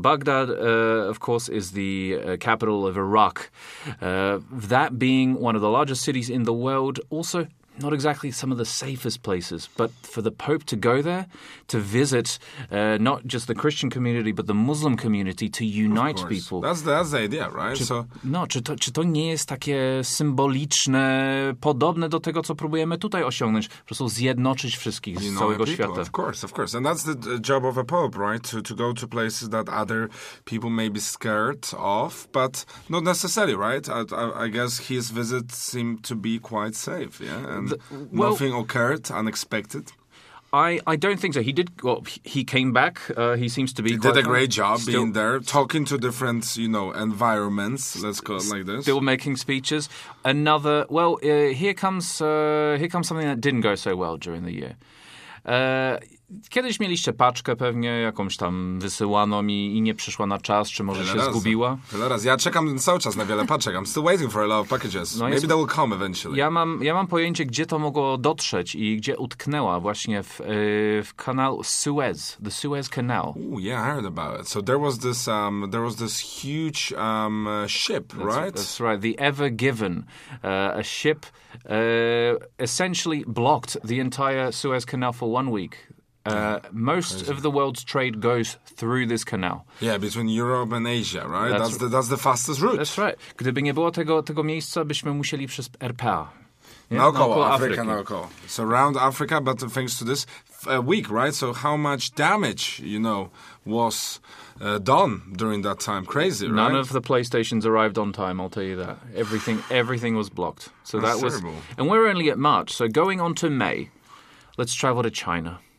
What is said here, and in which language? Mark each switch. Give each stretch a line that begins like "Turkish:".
English: Baghdad, of course, is the capital of Iraq. That being one of the largest cities in the world, also not exactly some of the safest places. But for the pope to go there, to visit not just the Christian community, but the Muslim community, to unite people. That's the idea, right?
Polish: Czy to nie jest takie symboliczne, podobne do tego, co próbujemy tutaj osiągnąć? Po prostu zjednoczyć wszystkich z całego świata.
English: Of course. And that's the job of a pope, right? To go to places that other people may be scared of, but not necessarily, right? I guess his visit seemed to be quite safe, yeah? Nothing occurred unexpected. I don't think so. He did. Well, he came back. He seems to be. He did a great job being there, talking to different, you know, environments. Let's call it like this. Still making speeches. Another. Well, here comes something that didn't go so well during the year.
Polish: Kiedyś mieliście paczkę pewnie, jakąś tam wysyłaną i nie przyszła na czas, czy może się zgubiła. Wiele razy. Ja czekam cały czas na wiele paczek.
English: I'm still waiting for a lot of packages. No maybe they will come eventually.
Polish: Ja mam pojęcie, gdzie to mogło dotrzeć i gdzie utknęła właśnie w kanał Suez.
English: The Suez Canal. Oh yeah, I heard about it. So there was this huge ship, that's right? That's right. The Ever Given. A ship essentially blocked the entire Suez Canal for 1 week. Most of the world's trade goes through this canal. Yeah, between Europe and Asia, right? That's the fastest route. That's right.
Polish: Gdyby nie było tego miejsca, byśmy musieli przez RPA. Naokoło Afryki.
English: So around Africa, but thanks to this, a week, right? So how much damage, you know, was done during that time? Crazy, right? None of the PlayStations arrived on time, I'll tell you that. Everything was blocked. So That's terrible. And we're only at March, so going on to May, let's travel to China.